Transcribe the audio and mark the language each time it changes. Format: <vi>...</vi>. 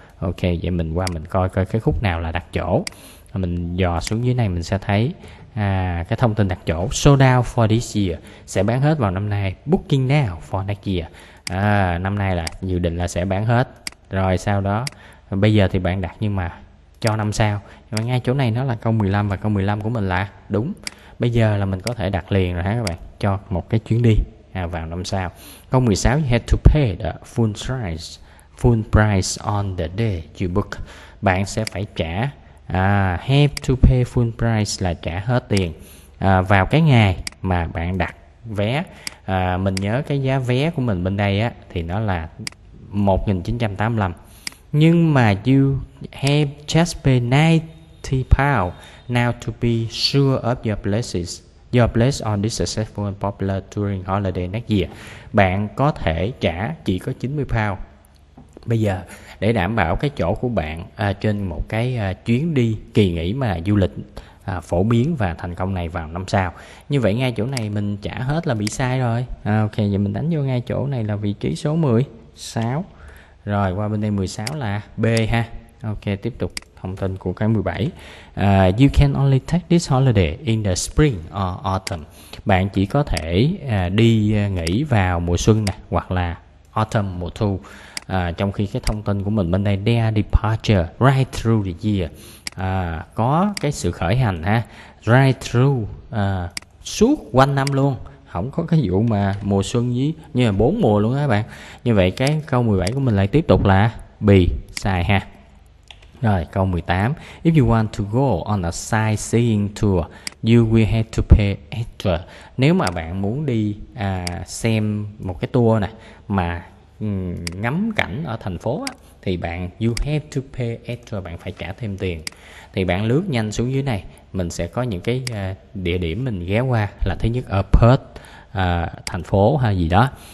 <vi>Ok, vậy mình qua mình coi coi cái khúc nào là đặt chỗ. Mình dò xuống dưới này mình sẽ thấy cái thông tin đặt chỗ</vi> <en>sold out for this year,</en> <vi>sẽ bán hết vào năm nay,</vi> <en>booking now for next year,</en> <vi>năm nay là dự định là sẽ bán hết rồi, sau đó bây giờ thì bạn đặt nhưng mà cho năm sau. Nhưng mà ngay chỗ này nó là câu 15 và câu 15 của mình là đúng, bây giờ là mình có thể đặt liền rồi ha các bạn, cho một cái chuyến đi vào năm sau. Câu 16,</vi> <en>you have to pay the full price on the day you book.</en> <vi>Bạn sẽ phải trả,</vi> <en>have to pay full price</en> <vi>là trả hết tiền vào cái ngày mà bạn đặt vé. Mình nhớ cái giá vé của mình bên đây á thì nó là 1.985, nhưng mà</vi> <en>you have just paid £90 now to be sure of your place on this successful and popular touring holiday next year.</en> <vi>Bạn có thể trả chỉ có £90 bây giờ để đảm bảo cái chỗ của bạn trên một cái chuyến đi kỳ nghỉ mà du lịch phổ biến và thành công này vào năm sau. Như vậy ngay chỗ này mình trả hết là bị sai rồi. Ok, vậy mình đánh vô ngay chỗ này là vị trí số 16. Rồi qua bên đây 16 là B ha. Ok, tiếp tục thông tin của cái 17.</vi> <en>You can only take this holiday in the spring or autumn.</en> <vi>Bạn chỉ có thể đi nghỉ vào mùa xuân nè, hoặc là autumn, mùa thu. Trong khi cái thông tin của mình bên đây,</vi> <en>their departure right through the year,</en> <vi>có cái sự khởi hành ha, right through suốt quanh năm luôn, không có cái vụ mà mùa xuân với như là bốn mùa luôn á bạn. Như vậy cái câu 17 của mình lại tiếp tục là B, sai ha. Rồi, câu 18.</vi> <en>If you want to go on a sightseeing tour, you will have to pay extra.</en> <vi>Nếu mà bạn muốn đi xem một cái tour này mà ngắm cảnh ở thành phố á, thì bạn</vi> <en>you have to pay extra,</en> <vi>bạn phải trả thêm tiền. Thì bạn lướt nhanh xuống dưới này, mình sẽ có những cái địa điểm mình ghé qua, là thứ nhất ở Perth, thành phố hay gì đó.</vi>